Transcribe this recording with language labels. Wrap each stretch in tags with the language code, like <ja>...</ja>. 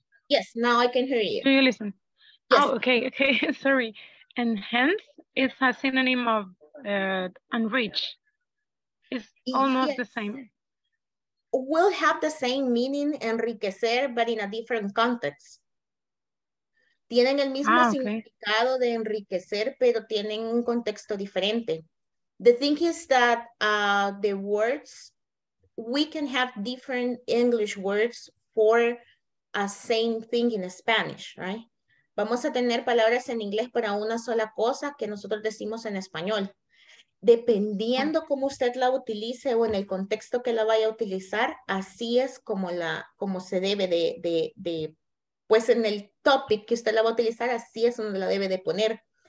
<en>Yes, now I can hear you. Do you listen? Yes. Oh, okay, sorry. Enhance is a synonym of enrich. It's almost the same. Will have the same meaning, enriquecer, but in a different context.</en> <es>Tienen el mismo significado de enriquecer, pero tienen un contexto diferente.</es> <en>The thing is that the words, we can have different English words for a same thing in Spanish, right?</en> <es>Vamos a tener palabras en inglés para una sola cosa que nosotros decimos en español. Dependiendo cómo usted la utilice o en el contexto que la vaya a utilizar, así es como la, como se debe de pues en el topic que usted la va a utilizar, así es donde la debe de poner.</es>